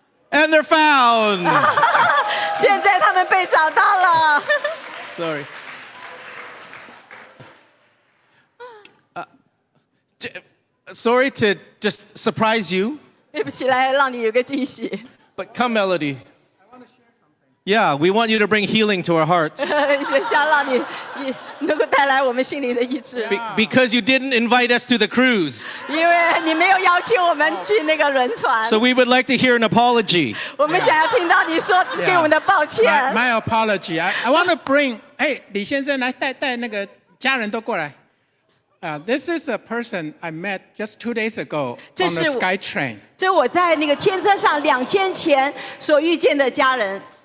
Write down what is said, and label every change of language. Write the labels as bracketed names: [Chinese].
[English] And they're found! [Chinese] 现在他们被找到了! [English] Sorry. Sorry to just surprise you. [Chinese] 对不起来让你有个惊喜。 [English] But come, Melody. Yeah, we want you to bring healing to our hearts. [Chinese] 也想让你能够带来我们心里的医治。 [English] Because you didn't invite us to the cruise. [Chinese] 因为你没有邀请我们去那个轮船。 [English] So we would like to hear an apology. [Chinese] 我们想要听到你说给我们的抱歉。 [English] Yeah. My apology. I want to bring, hey, [Chinese] 李先生来带那个家人都过来。 [English] This is a person I met just 2 days ago on the SkyTrain. [Chinese] 这我在那个天车上两天前所遇见的家人。